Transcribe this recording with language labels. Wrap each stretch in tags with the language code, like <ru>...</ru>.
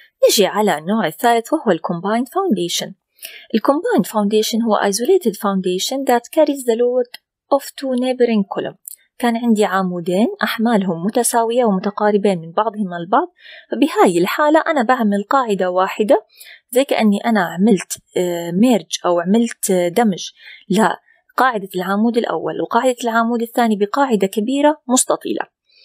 <ar>نجي على النوع الثالث وهو Combined Foundation.</ar> <en>Combined Foundation هو Isolated Foundation that carries the load of two neighboring columns.</en> <ar>كان عندي عمودين أحمالهم متساوية ومتقاربين من بعضهم البعض، فبهاي الحالة أنا بعمل قاعدة واحدة، زي كأني أنا عملت ميرج أو عملت دمج لقاعدة العمود الأول وقاعدة العمود الثاني بقاعدة كبيرة مستطيلة.</ar>